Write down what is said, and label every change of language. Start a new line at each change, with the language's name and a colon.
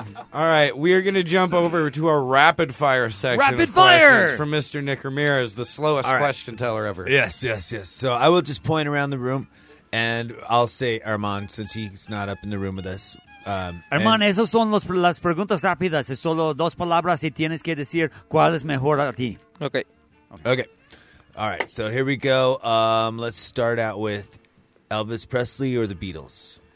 English: All right, we are going to jump over to a rapid fire section. Rapid fire! From Mr. Nick Ramirez, the slowest question teller ever. Yes. So I will just point around the room and I'll say Armand, since he's not up in the room with us.
Spanish: Armand, esas son las preguntas rápidas. Es solo dos palabras y tienes que decir cuál es mejor a ti.
English: Okay. All right, so here we go. Let's start out with Elvis Presley or the Beatles?